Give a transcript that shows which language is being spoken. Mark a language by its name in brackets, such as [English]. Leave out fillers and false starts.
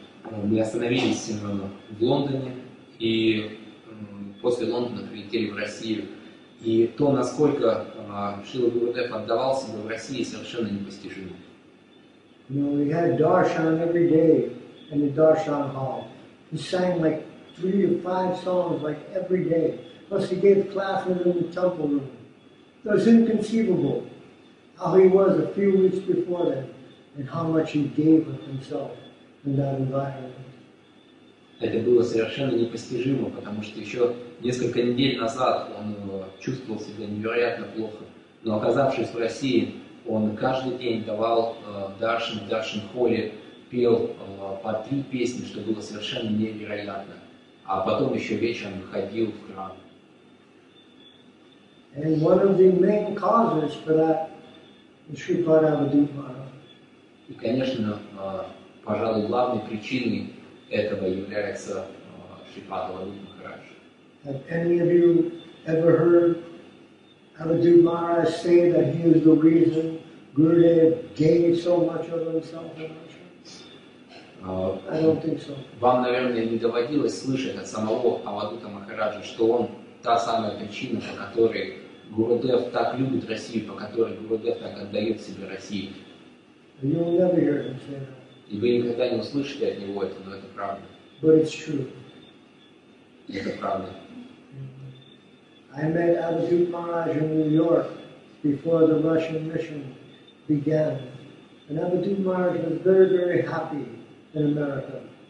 [Russian] Мы остановились в Лондоне, и после Лондона прилетели в Россию. И то, насколько Шрила Гурудев отдавался бы в России, совершенно непостижимо. [English] We had darshan every day in the darshan hall. He sang like 3 or 5 songs like every day. Plus he gave classes in the temple room. It was inconceivable how he was a few weeks before then. And how much he gave of himself in that environment. [Russian] Это было совершенно непостижимо, потому что еще несколько недель назад он чувствовал себя невероятно плохо. Но оказавшись в России, он каждый день давал даршан, даршан холле, пел по 3 песни, что было совершенно невероятно. А потом еще вечером ходил в храм. [English] And one of the main causes for that is Sri Paramadipara. [Russian] И, конечно, пожалуй, главной причиной этого является Шипада Ламин Махарадж. [English] Have any of you ever heard Avadhut Maharaj say that he is the reason Gurudev gained so much of himself in Ashram? I don't think so. [Russian] Вам, наверное, не доводилось слышать от самого Авадута Махараджа, что он та самая причина, по которой Гурудев так любит Россию, по которой Гурудев так отдает себе России. [English] You'll never hear him say that. [Russian] И вы никогда не услышите от него это, но это правда. [English] But it's true. [Russian] Это правда. [English] I met Avadhut Maharaj in New York before the Russian mission began. And Avadhut Maharaj was very, very happy in America.